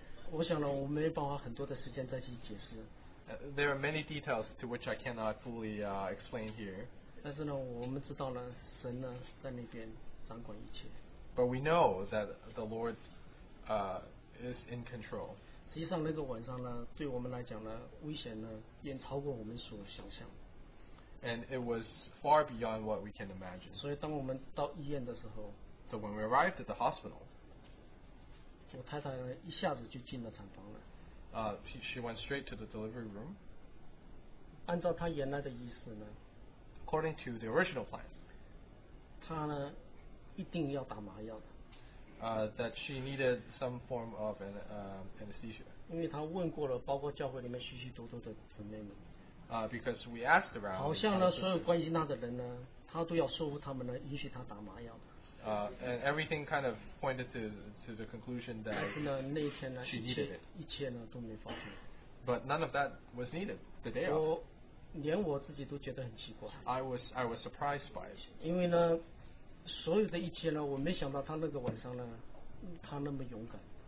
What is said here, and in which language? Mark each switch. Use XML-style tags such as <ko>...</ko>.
<zh>我想呢，我没有办法很多的时间再去解释。</zh> <en>There are many details to which I cannot fully explain here.</en> <zh>但是呢，我们知道了神呢在那边掌管一切。</zh> <en>But we know that the Lord is in control.</en> <zh>实际上那个晚上呢，对我们来讲呢，危险呢远超过我们所想象。</zh> <en>And it was far beyond what we can imagine.</en> <zh>所以当我们到医院的时候</zh> <en>，So when we arrived at the hospital,</en> <zh>我太太一下子就进了产房了。</zh> <en>She went straight to the delivery room.</en> <zh>按照她原来的意思呢</zh> <en>，According to the original plan,</en> <zh>她呢。一定要打麻药的。</zh> <en>That she needed some form of an anesthesia.</en> <zh>因为她问过了，包括教会里面许许多多的姊妹们。</zh> <en>Because we asked around.</en> <zh>好像呢，所有关心她的人呢，她都要说服他们呢，允许她打麻药的。</zh> <en>And everything kind of pointed to the conclusion that.</en> <zh>但是呢，那一天呢，</zh> <en>she needed it.</en> <zh>一切呢都没发生。</zh> <en>But none of that was needed the day of.</en> <zh>我连我自己都觉得很奇怪。</zh> <en>I was surprised by it.</en> <zh>因为呢。所有的一切呢，我没想到她那个晚上呢，她那么勇敢。</zh>